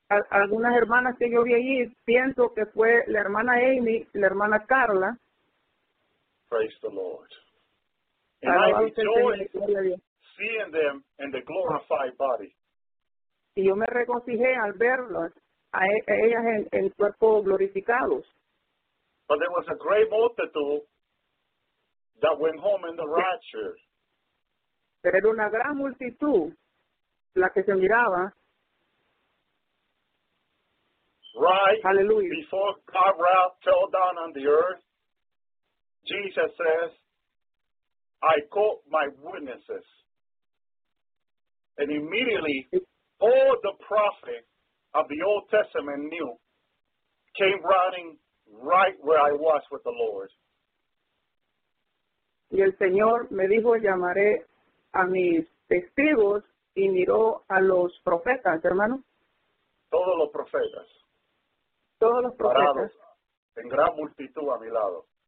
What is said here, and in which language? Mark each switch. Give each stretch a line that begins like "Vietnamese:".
Spanish: Algunas hermanas que yo vi allí, pienso que fue la hermana Amy, la hermana Carla.
English: Praise the Lord. And I rejoiced seeing them in the glorified body.
Spanish: Y yo me regocijé al verlos a ellas en cuerpo glorificados.
English: But there was a great multitude that went home in the rapture.
Spanish: Pero era una gran multitud la que se miraba.
English: Right. Hallelujah. Before God's wrath fell down on the earth, Jesus says, I call my witnesses. And immediately, all the prophets of the Old Testament knew, came running right where I was with the Lord.
Spanish: Y el Señor me dijo, llamaré a mis testigos y miró a los profetas, hermano. Todos los profetas. Todos los profetas. Parados en gran multitud a mi lado.